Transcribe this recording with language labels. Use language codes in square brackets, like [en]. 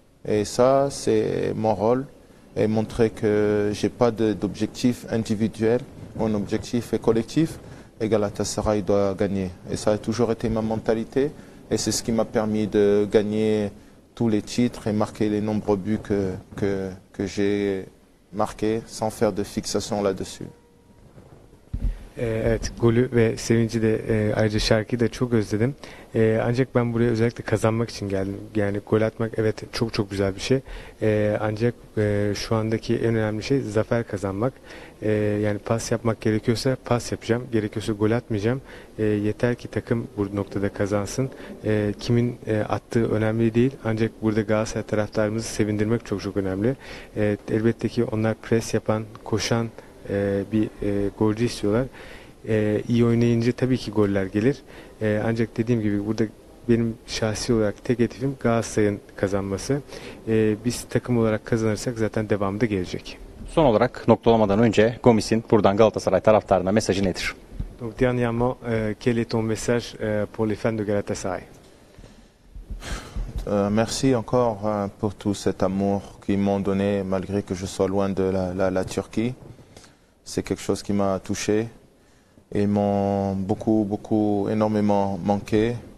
[fr] Et ça, c'est mon rôle, et montrer que j'ai pas d'objectif individuel, mon objectif est collectif, et Galatasaray doit gagner. Et ça a toujours été ma mentalité, et c'est ce qui m'a permis de gagner tous les titres et marquer les nombreux buts que j'ai marqués sans faire de fixation là-dessus. [tr] Evet, golü ve sevinci de ayrıca şarkıyı da çok özledim. Ancak ben buraya özellikle kazanmak için geldim. Yani gol atmak evet çok çok güzel bir şey. Ancak şu andaki en önemli şey zafer kazanmak. Yani pas yapmak gerekiyorsa pas yapacağım. Gerekiyorsa gol atmayacağım. Yeter ki takım bu noktada kazansın. Kimin attığı önemli değil. Ancak burada Galatasaray taraftarımızı sevindirmek çok çok önemli. Elbette ki onlar pres yapan, koşan bir golcü istiyorlar. İyi oynayınca tabii ki goller gelir. Ancak dediğim gibi burada benim şahsi olarak tek hedefim Galatasaray'ın kazanması. Biz takım olarak kazanırsak zaten devamı da gelecek. Son olarak noktalamadan önce Gomis'in buradan Galatasaray taraftarına mesajı nedir? [fr] Donc dernièrement, quel est ton message pour les fans de Galatasaray? Merci encore pour tout cet amour qu'ils m'ont donné malgré que je sois loin de la Turquie. C'est quelque chose qui m'a touché. Ils m'ont beaucoup, beaucoup, énormément manqué.